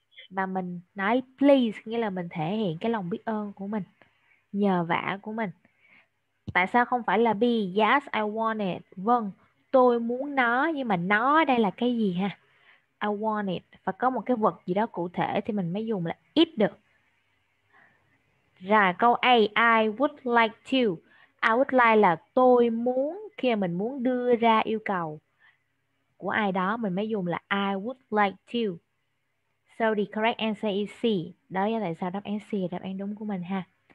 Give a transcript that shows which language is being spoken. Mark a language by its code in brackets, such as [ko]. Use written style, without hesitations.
[vi] Và mình nói please, nghĩa là mình thể hiện cái lòng biết ơn của mình, nhờ vả của mình. Tại sao không phải là B? [en] Yes, I want it. [vi] Vâng, tôi muốn nó. Nhưng mà nó đây là cái gì ha? [en] I want it. [vi] Và có một cái vật gì đó cụ thể thì mình mới dùng là it được. Rồi câu A, [en] I would like to. I would like [vi] là tôi muốn. Khi mình muốn đưa ra yêu cầu của ai đó, mình mới dùng là [en] I would like to. So the correct answer is C. [vi] Đó là tại sao đáp án C đáp án đúng của mình ha.